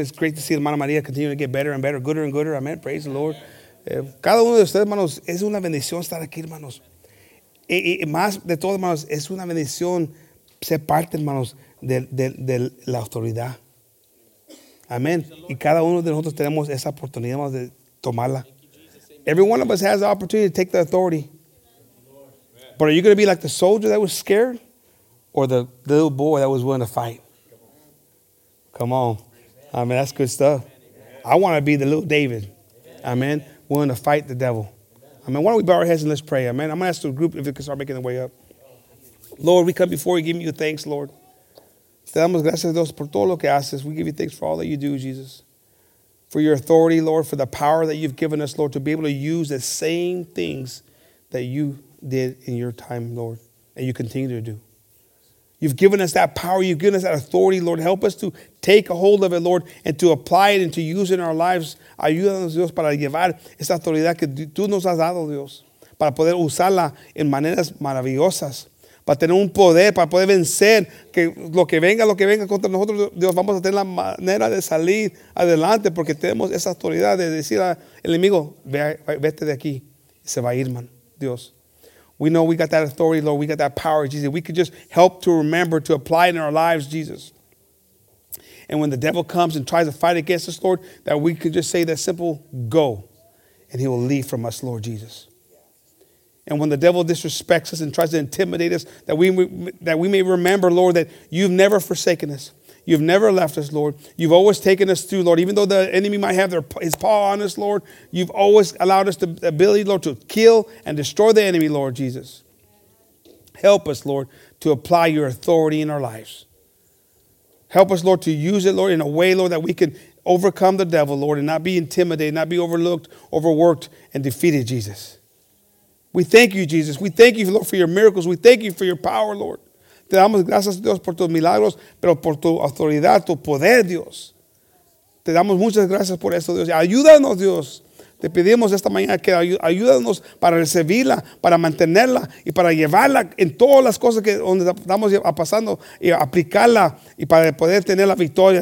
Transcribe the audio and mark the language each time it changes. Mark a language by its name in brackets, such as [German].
[English] It's great to see hermana María continue to get better and better, gooder and gooder. Amen. Praise the Lord. [Spanish] Cada uno de ustedes, hermanos, es una bendición estar aquí, hermanos. Y más de todo, hermanos, es una bendición ser parte, hermanos, de la autoridad. Amén. Y cada uno de nosotros tenemos esa oportunidad, hermanos, de tomarla. [English] Every one of us has the opportunity to take the authority. But are you going to be like the soldier that was scared or the little boy that was willing to fight? Come on. I mean, that's good stuff. I want to be the little David. Amen. Willing to fight the devil. Amen. Why don't we bow our heads and let's pray. Amen. I'm going to ask the group if they can start making their way up. Lord, we come before you giving you thanks, Lord. [Spanish] Te damos gracias a Dios por todo lo que haces. [English] We give you thanks for all that you do, Jesus. For your authority, Lord, for the power that you've given us, Lord, to be able to use the same things that you did in your time, Lord, and you continue to do. You've given us that power. You've given us that authority, Lord. Help us to take a hold of it, Lord, and to apply it and to use it in our lives. [Spanish] Ayúdanos, Dios, para llevar esa autoridad que tú nos has dado, Dios, para poder usarla en maneras maravillosas, para tener un poder, para poder vencer que lo que venga contra nosotros, Dios, vamos a tener la manera de salir adelante porque tenemos esa autoridad de decir al enemigo, vete de aquí. Se va a ir, man, Dios. [English] We know we got that authority, Lord. We got that power, Jesus. We could just help to remember to apply it in our lives, Jesus. And when the devil comes and tries to fight against us, Lord, that we could just say that simple, go. And he will leave from us, Lord Jesus. And when the devil disrespects us and tries to intimidate us, that we may remember, Lord, that you've never forsaken us. You've never left us, Lord. You've always taken us through, Lord. Even though the enemy might have his paw on us, Lord, you've always allowed us the ability, Lord, to kill and destroy the enemy, Lord Jesus. Help us, Lord, to apply your authority in our lives. Help us, Lord, to use it, Lord, in a way, Lord, that we can overcome the devil, Lord, and not be intimidated, not be overlooked, overworked, and defeated, Jesus. We thank you, Jesus. We thank you, Lord, for your miracles. We thank you for your power, Lord. [Spanish] Te damos gracias, Dios, por tus milagros, pero por tu autoridad, tu poder, Dios. Te damos muchas gracias por esto, Dios. Ayúdanos, Dios. Te pedimos esta mañana que ayúdanos para recibirla, para mantenerla y para llevarla en todas las cosas que donde estamos pasando y aplicarla y para poder tener la victoria.